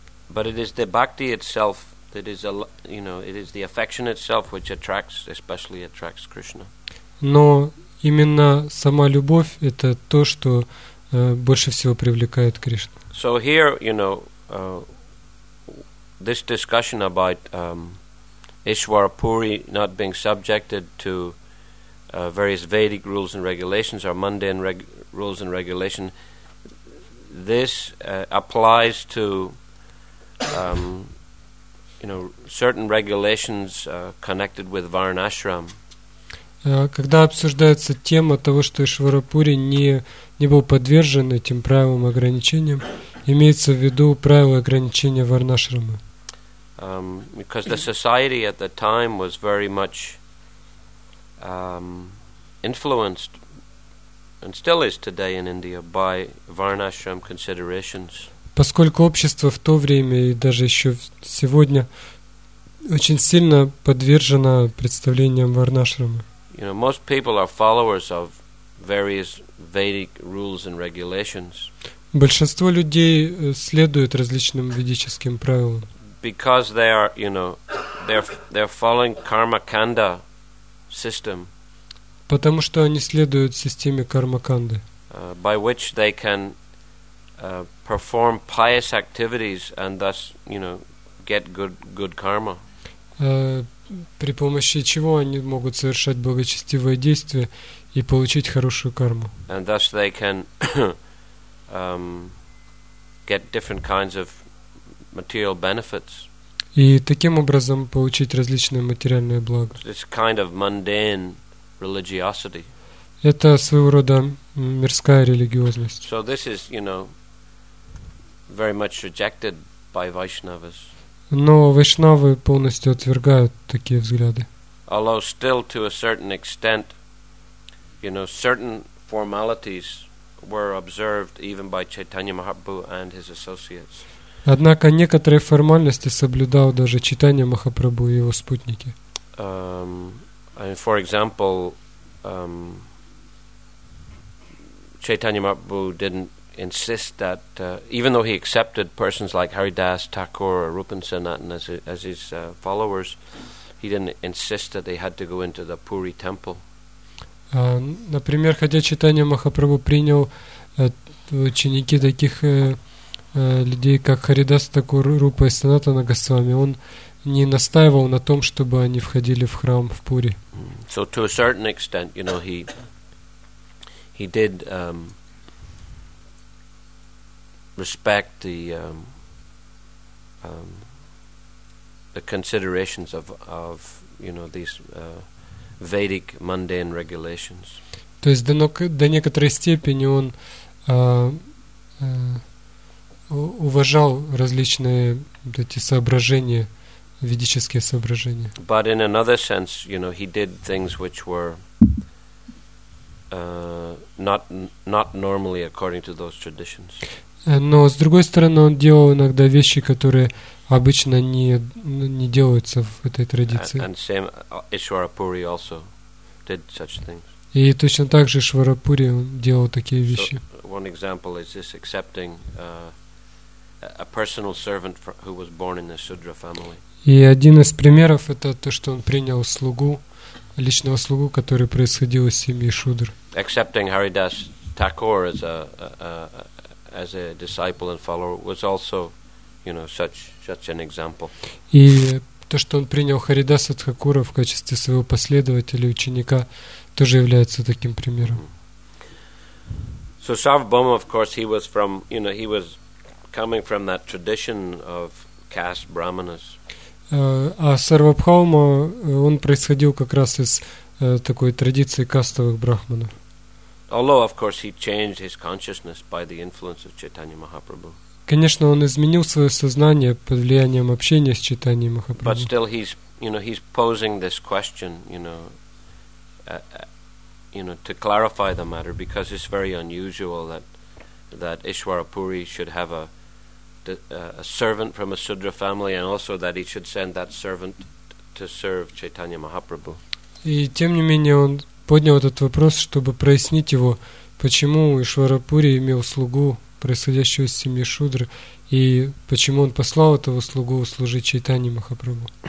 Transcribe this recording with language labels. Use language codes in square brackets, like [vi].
[en] But it is the bhakti itself that is, you know, it is the affection itself which attracts, especially attracts Krishna. [ru] Но именно сама любовь – это то, что больше всего привлекает Кришну. [en] So here, you know, this discussion about Ishwara Puri not being subjected to various Vedic rules and regulations or mundane rules and regulations, this applies to you know, certain regulations connected with Varnashram. [ru] Когда обсуждается тема того, что Ишвара Пури не был подвержен этим правилам ограничениям, имеется в виду правила ограничения Варнашрама. [en] Because the society at the time was very much influenced, and still is today in India, by Varnashram considerations. [ru] Поскольку общество в то время и даже еще сегодня очень сильно подвержено представлениям Варнашрама. [en] You know, most people are followers of various Vedic rules and regulations. [ru] Большинство людей следуют различным ведическим правилам. [en] Because they are, you know, they're following karma kanda system. [ru] Потому что они следуют системе кармаканды. [en] By which they can perform pious activities and thus, you know, get good karma. [ru] при помощи чего они могут совершать благочестивые действия и получить хорошую карму. [en] And thus they can get different kinds of material benefits. [ru] И таким образом получить различные материальные блага. [en] It's kind of mundane religiosity. [ru] Это своего рода мирская религиозность. [en] So this is, you know, very much rejected by Vaishnavas. [ru] Но вайшнавы полностью отвергают такие взгляды. [en] Although still to a certain extent, you know, certain formalities were observed even by Chaitanya Mahaprabhu and his associates. [ru] Однако некоторые формальности соблюдал даже Чайтанья Махапрабху и его спутники. [en] For example, Chaitanya Mahaprabhu didn't insist that, even though he accepted persons like Haridas, Thakur, or Rupinsanathan as his followers, he didn't insist that they had to go into the Puri temple. [ru] Например, хотя Чайтанья Махапрабху принял ученики таких людей, как Харидас, Такур, Рупа и Санатана Госвами, он не настаивал на том, чтобы они входили в храм в Пури. [en] So to a certain extent, you know, he did respect the considerations of you know these Vedic mundane regulations. [ru] То есть до некоторой степени он уважал различные эти соображения, ведические соображения. [en] But in another sense, you know, he did things which were not normally according to those traditions. [ru] Но с другой стороны, он делал иногда вещи, которые обычно не делаются в этой традиции. [en] And same Ishwarapuri also did such things. [ru] И точно так же Ишварапури делал такие вещи. [en] So one example is this accepting a personal servant who was born in the Sudra family. [ru] И один из примеров это то, что он принял слугу, личного слугу, который происходил из семьи Шудр. [en] Accepting Haridas Thakur as a disciple and follower was also, you know, such an example. [ru] И то, что он принял Харидаса Тхакура в качестве своего последователя, ученика, тоже является таким примером. [en] So Sarvabhauma, of course, he was from, you know, he was coming from that tradition of caste brahmanas. [ru] А Сарвабхаума, он происходил как раз из такой традиции кастовых брахманов. [en] Although, of course, he changed his consciousness by the influence of Chaitanya Mahaprabhu. [ru] Конечно, он изменил свое сознание под влиянием общения с Чайтаньей Махапрабху. [en] But still, he's, you know, he's posing this question, you know, to clarify the matter, because it's very unusual that Ishwarapuri should have a servant from a Sudra family, and also that he should send that servant to serve Chaitanya Mahaprabhu. [ru] И тем не менее он поднял этот вопрос, чтобы прояснить его, почему Ишварапури имел слугу, происходящего из семьи Шудры, и почему он послал этого слугу служить Чайтанье Махапрабху.